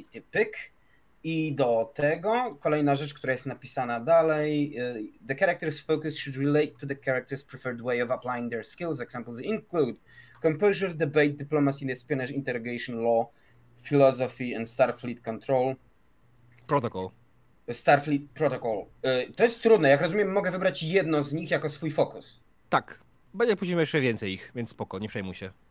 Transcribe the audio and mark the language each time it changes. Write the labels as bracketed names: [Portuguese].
[Polish] Pyk. I do tego kolejna rzecz, która jest napisana dalej. [English] The character's focus should relate to the character's preferred way of applying their skills. Examples include composure, debate, diplomacy, espionage, interrogation, law, philosophy and Starfleet control. Protocol. Starfleet protocol. [Polish] To jest trudne. Jak rozumiem, mogę wybrać jedno z nich jako swój fokus. Tak. Będzie później jeszcze więcej ich, więc spoko, nie przejmuj się.